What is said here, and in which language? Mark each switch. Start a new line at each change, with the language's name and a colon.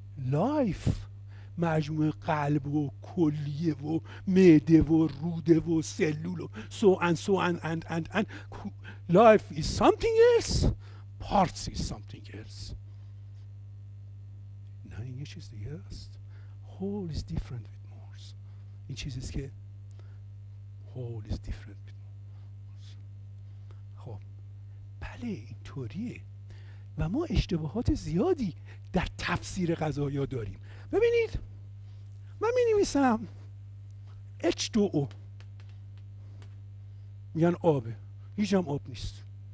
English: life
Persian: مجموع قلب و کلیه و معده و روده و سلول و
English: so and life is something else, parts is something else.
Persian: نه این یه چیز دیگه است.
English: whole is different with more.
Persian: این چیزی است که
English: whole is different with more.
Persian: خب بله اینطوریه و ما اشتباهات زیادی در تفسیر قضایا داریم. ببینید من می‌نویسم H2O، میگن آبه، هیچ هم آب نیست.